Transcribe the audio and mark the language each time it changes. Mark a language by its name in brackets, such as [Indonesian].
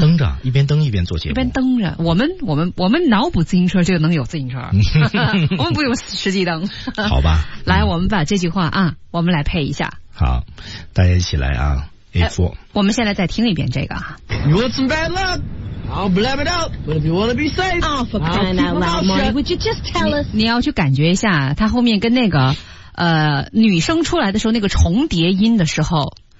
[Chinese] 蹬着，一边蹬一边做节目，一边蹬着。我们脑补自行车就能有自行车，我们不用实际蹬。好吧，来，我们把这句话啊，我们来配一下。好，大家一起来啊 ，A four。我们现在再听一遍这个啊。 [English] You want some bad luck? I'll blab it out. But if you want to be safe, oh, for crying out loud, Marty, would you just tell us? [Chinese] 你要去感觉一下，他后面跟那个女生出来的时候那个重叠音的时候。